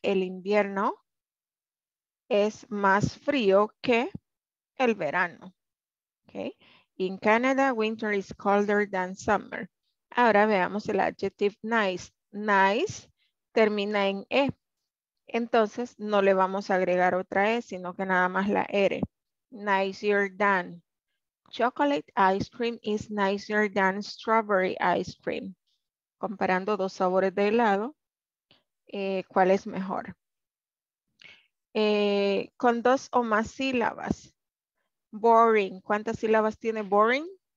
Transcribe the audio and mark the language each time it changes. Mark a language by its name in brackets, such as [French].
[Spanish] El invierno es más frío que el verano. [English] Okay. In Canada, winter is colder than summer. [Spanish] Ahora veamos el adjective nice. Nice termina en E. Entonces no le vamos a agregar otra E, sino que nada más la R. [English] Nicer than. Chocolate ice cream is nicer than strawberry ice cream. [Spanish] Comparando dos sabores de helado, ¿cuál es mejor? Con dos o más sílabas. Boring. ¿Cuántas sílabas tiene boring?